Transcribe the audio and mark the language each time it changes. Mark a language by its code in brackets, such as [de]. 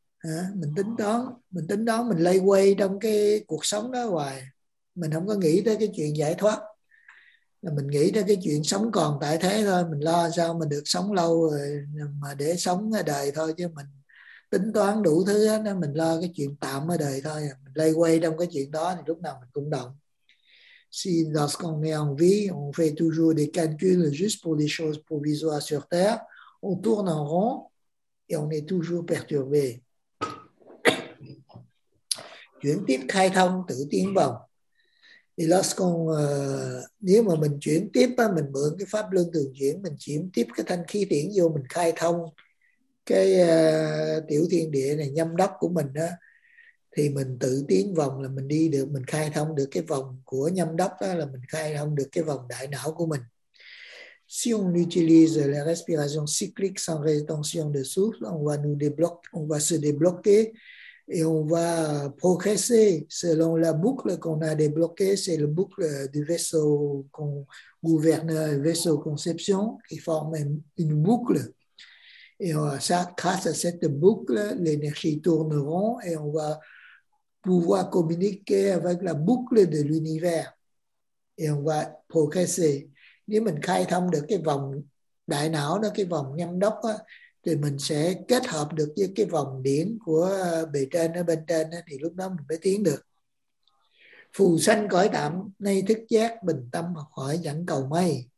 [vi] À, mình tính toán mình lây quay trong cái cuộc sống đó hoài, mình không có nghĩ tới cái chuyện giải thoát, là mình nghĩ tới cái chuyện sống còn tại thế thôi. Mình lo sao mình được sống lâu rồi mà để sống ở đời thôi, chứ mình tính toán đủ thứ hết đó, mình lo cái chuyện tạm ở đời thôi. Mình lây quay trong cái chuyện đó thì lúc nào mình cũng động. [fr] Si dans ce qu'on est en vie, on fait toujours des calculs juste pour des choses provisoires sur terre, on tourne en rond et on est toujours perturbé. [vi] Chuyển tiếp khai thông tự tiến vòng. Thì lascon, nếu mà mình chuyển tiếp á, mình mượn cái pháp luân thường chuyển, mình chuyển tiếp cái thanh khí điển vô, mình khai thông cái tiểu thiên địa này, nhâm đốc của mình á, thì mình tự tiến vòng là mình đi được, mình khai thông được cái vòng của nhâm đốc đó, là mình khai thông được cái vòng đại não của mình. [fr] Si on utilise la respiration cyclique sans rétention de souffle, on va nous débloquer, on va se débloquer. Et on va progresser selon la boucle qu'on a débloquée. C'est la boucle du vaisseau qu'on gouverne, le vaisseau conception, qui forme une boucle. Et ça, grâce à cette boucle, l'énergie tournera et on va pouvoir communiquer avec la boucle de l'univers. Et on va progresser. [vi] Nếu mình khai thông được cái vòng đại não đó, cái vòng nhâm đốc đó, thì mình sẽ kết hợp được với cái vòng điển của bề trên ở bên trên, thì lúc đó mình mới tiến được. Phù sanh cõi tạm, nay thức giác, bình tâm mà khỏi dẫn cầu mây.